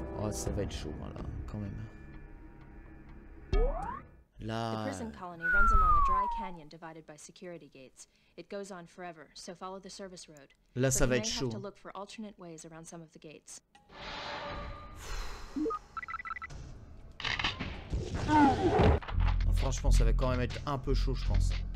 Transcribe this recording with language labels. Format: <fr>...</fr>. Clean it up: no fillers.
<fr>Ça va être chaud, voilà, quand même. Là.</fr> <en>The prison colony runs along a dry canyon divided by security gates. It goes on forever, so follow the service road.</en> <fr>Là, ça va être chaud.</fr> <en>To look for alternate ways around some of the gates.</en> <fr>Non, franchement, ça va quand même être un peu chaud, je pense.</fr>